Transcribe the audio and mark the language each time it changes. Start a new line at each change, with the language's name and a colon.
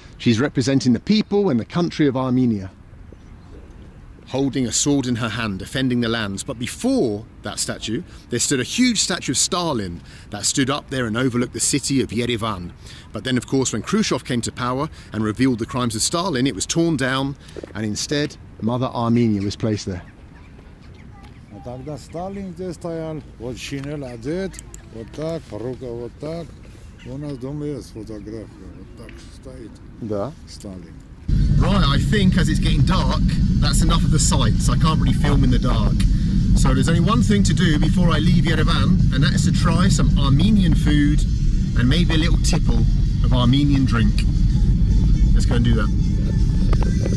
English: She's representing the people and the country of Armenia, holding a sword in her hand, defending the lands. But before that statue, there stood a huge statue of Stalin that stood up there and overlooked the city of Yerevan. But then, of course, when Khrushchev came to power and revealed the crimes of Stalin, it was torn down, and instead, Mother Armenia was placed there.
Russian: Тогда Сталин здесь стоял, вот шинель одет, вот так, рука вот так. У нас дома есть фотография, вот так стоит. Да. Сталин.
English: Right, I think as it's getting dark, that's enough of the sights. I can't really film in the dark. So there's only one thing to do before I leave Yerevan, and that is to try some Armenian food and maybe a little tipple of Armenian drink. Let's go and do that.